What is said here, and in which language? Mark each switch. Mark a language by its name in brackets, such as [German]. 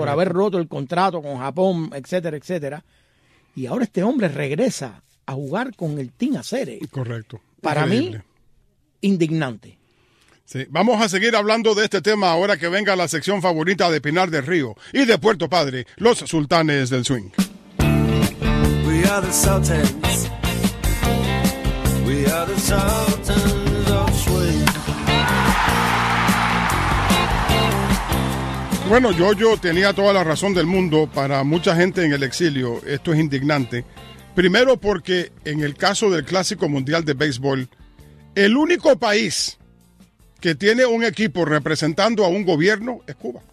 [Spanish] Por haber roto el contrato con Japón, etcétera, etcétera. Y ahora este hombre regresa a jugar con el Team Acere. Correcto. Para mí, indignante. Sí, vamos a seguir hablando de este tema ahora que venga la sección favorita de Pinar del Río y de Puerto Padre, los Sultanes del Swing. [English] We are the Sultans. We are the Sultans of Swing. [Spanish] Bueno, Yo-Yo tenía toda la razón del mundo. Para mucha gente en el exilio, esto es indignante. Primero porque en el caso del Clásico Mundial de Béisbol, el único país que tiene un equipo representando a un gobierno es Cuba.